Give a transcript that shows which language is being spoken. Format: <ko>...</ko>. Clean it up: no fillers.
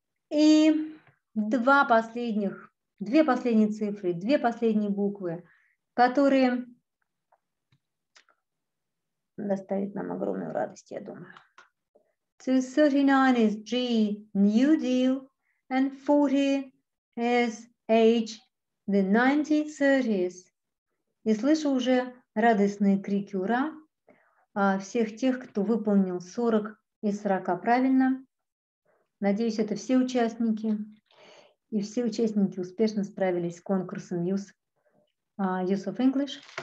<ru>И два последних, две последние цифры, две последние буквы, которые доставят нам огромную радость, я думаю.</ru> <en>So 39 is G, New Deal, and 40 is H, the 1930s.</en> <ru>И слышу уже радостные крики «Ура!» всех тех, кто выполнил 40 из 40 правильно. Надеюсь, это все участники. И все участники успешно справились с конкурсом Use of English.</ru>